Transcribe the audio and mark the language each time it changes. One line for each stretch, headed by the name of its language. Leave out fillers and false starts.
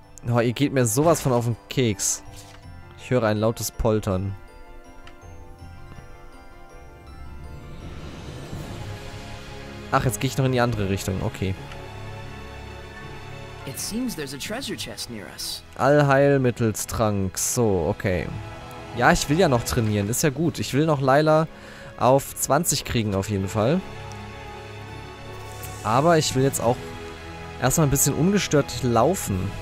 German: Oh, ihr geht mir sowas von auf den Keks. Ich höre ein lautes Poltern. Ach, jetzt gehe ich noch in die andere Richtung. Okay.
English: It seems there's a treasure chest near us.
German: Allheilmittelstrank. So, okay. Ja, ich will ja noch trainieren. Ist ja gut. Ich will noch Layla auf 20 kriegen auf jeden Fall. Aber ich will jetzt auch erstmal ein bisschen ungestört laufen.